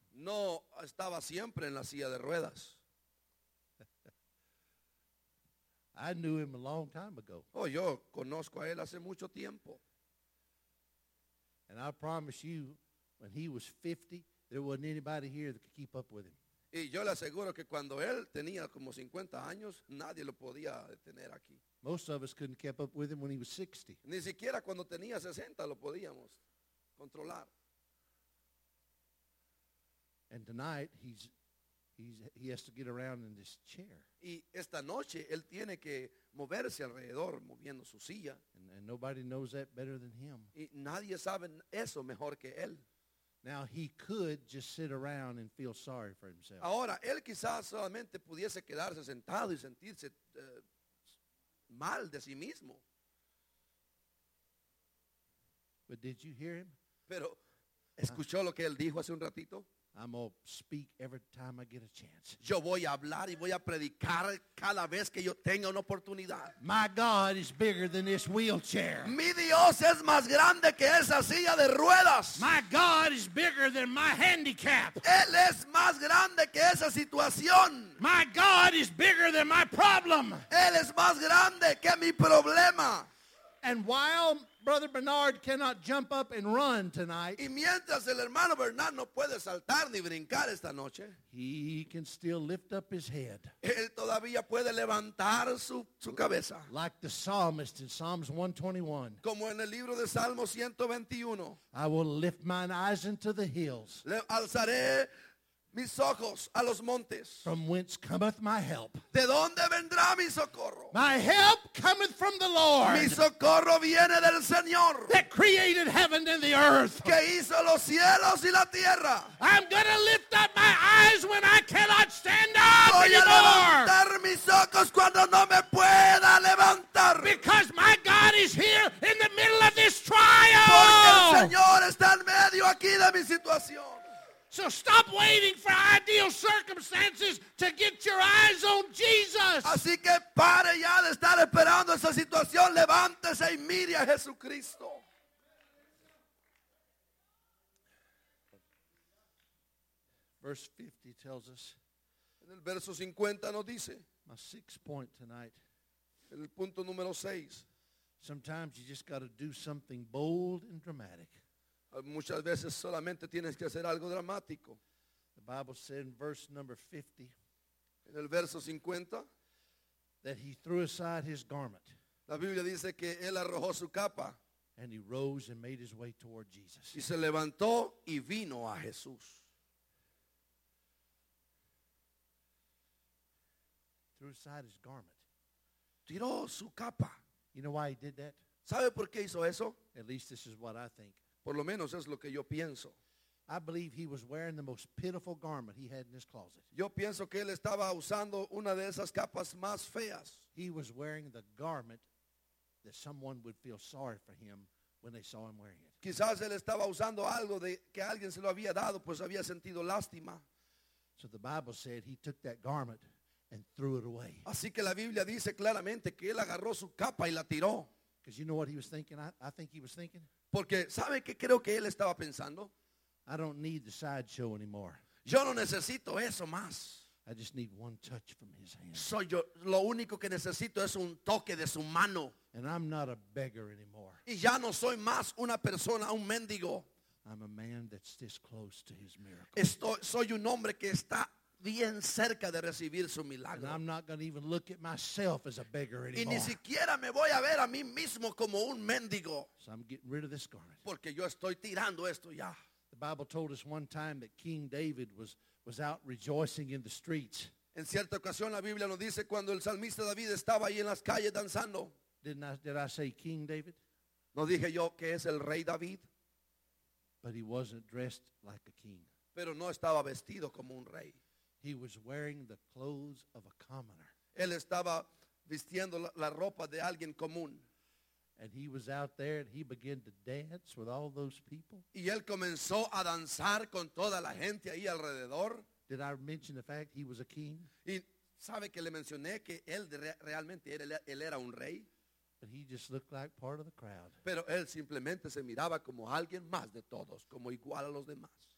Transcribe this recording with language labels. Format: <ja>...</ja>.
<es>No estaba siempre en la silla de ruedas.</es> <en>I knew him a long time ago.</en> <es>Oh, yo conozco a él hace mucho tiempo.</es> <en>And I promise you, when he was 50, there wasn't anybody here that could keep up with him.</en> <es>Y yo le aseguro que cuando él tenía como 50 años, nadie lo podía detener aquí.</es> <en>Most of us couldn't keep up with him when he was 60.</en> <es>Ni siquiera cuando tenía 60 lo podíamos controlar.</es> <en>And tonight he has to get around in this chair.</en> <es>Y esta noche él tiene que moverse alrededor moviendo su silla.</es> <en>And nobody knows that better than him.</en> <es>Y nadie sabe eso mejor que él.</es> <en>Now he could just sit around and feel sorry for himself.</en> <es>Ahora él quizás solamente pudiese quedarse sentado y sentirse mal de sí mismo.</es> <en>But did you hear him?</en> <es>Pero escuchó lo que él dijo hace un ratito.</es> <en>I'm going to speak every time I get a chance.</en> <es>Yo voy a hablar y voy a predicar cada vez que yo tenga una oportunidad.</es> <en>My God is bigger than this wheelchair.</en> <es>Mi Dios es más grande que esa silla de ruedas.</es> <en>My God is bigger than my handicap.</en> <es>Él es más grande que esa situación.</es> <en>My God is bigger than my problem.</en> <es>Él es más grande que mi problema.</es> <en>And while Brother Bernard cannot jump up and run tonight,</en> <es>y mientras el hermano Bernard no puede saltar ni brincar esta noche,</es> <en>he can still lift up his head.</en> <es>Él todavía puede levantar su cabeza.</es> <en>Like the psalmist in Psalms 121.</en> <es>Como en el libro de Salmo 121.</es> <en>I will lift mine eyes into the hills.</en> <es>Alzaré mis ojos a los montes.</es> <en>From whence cometh my help?</en> <es>¿De dónde vendrá mi socorro?</es> <en>My help cometh from the Lord.</en> <es>Mi socorro viene del Señor.</es> <en>That created heaven and the earth.</en> <es>Que hizo los cielos y la tierra.</es> <en>I'm going to lift up my eyes when I cannot stand up anymore.</en> <es>Voy a levantar mis ojos cuando no me pueda levantar.</es> <en>Because my God is here in the middle of this trial.</en> <es>Porque el Señor está en medio aquí de mi situación.</es> <en>So stop waiting for ideal circumstances to get your eyes on Jesus.</en> <es>Así que pare ya de estar esperando esa situación. Levántese y mire a Jesucristo.</es> <en>Verse 50 tells us.</en> <es>En el verso 50 nos dice.</es> <en>My sixth point tonight.</en> <es>El punto número 6.</es> <en>Sometimes you just got to do something bold and dramatic.</en> <es>Muchas veces solamente tienes que hacer algo dramático.</es> <en>The Bible said in verse number 50.</en> <es>En el verso 50.</es> <en>That he threw aside his garment.</en> <es>La Biblia dice que él arrojó su capa.</es> <en>And he rose and made his way toward Jesus.</en> <es>Y se levantó y vino a Jesús.</es> <en>Threw aside his garment.</en> <es>Tiró su capa.</es> <en>You know why he did that?</en> <es>¿Sabe por qué hizo eso?</es> <en>At least this is what I think.</en> <es>Por lo menos es lo que yo pienso.</es> <en>I believe he was wearing the most pitiful garment he had in his closet.</en> <es>Yo pienso que él estaba usando una de esas capas más feas.</es> <en>He was wearing the garment that someone would feel sorry for him when they saw him wearing it.</en> <es>Quizás él estaba usando algo de que alguien se lo había dado, pues había sentido lástima.</es> <en>So the Bible said he took that garment and threw it away.</en> <es>Así que la Biblia dice claramente que él agarró su capa y la tiró.</es> <en>Because you know what he was thinking? I think he was thinking.</en> <es>Porque ¿sabe qué creo que él estaba pensando?</es> <en>I don't need the sideshow anymore.</en> <es>Yo no necesito eso más.</es> <en>I just need one touch from his hand.</en> <es>So yo, lo único que necesito es un toque de su mano.</es> <en>And I'm not a beggar anymore.</en> <es>Y ya no soy más una persona, un mendigo.</es> <en>I'm a man that's this close to his miracle.</en> <es>Estoy, soy un hombre que está bien cerca de recibir su milagro.</es> <en>And I'm not going to even look at myself as a beggar anymore.</en> <es>Y ni siquiera me voy a ver a mí mismo como un mendigo.</es> <en>So I'm getting rid of this garment.</en> <es>Porque yo estoy tirando esto ya.</es> <en>The Bible told us one time that King David was out rejoicing in the streets.</en> <es>En cierta ocasión la Biblia nos dice cuando el salmista David estaba ahí en las calles danzando.</es> <en>Did I say King David?</en> <es>No dije yo que es el rey David.</es> <en>But he wasn't dressed like a king.</en> <es>Pero no estaba vestido como un rey.</es> <en>He was wearing the clothes of a commoner.</en> <es>Él estaba vistiendo la ropa de alguien común.</es> <en>And he was out there and he began to dance with all those people.</en> <es>Y él comenzó a danzar con toda la gente ahí alrededor.</es> <en>Did I mention the fact he was a king?</en> <es>Y sabe que le mencioné que él realmente él era un rey.</es> <en>But he just looked like part of the crowd.</en> <es>Pero él simplemente se miraba como alguien más de todos, como igual a los demás.</es>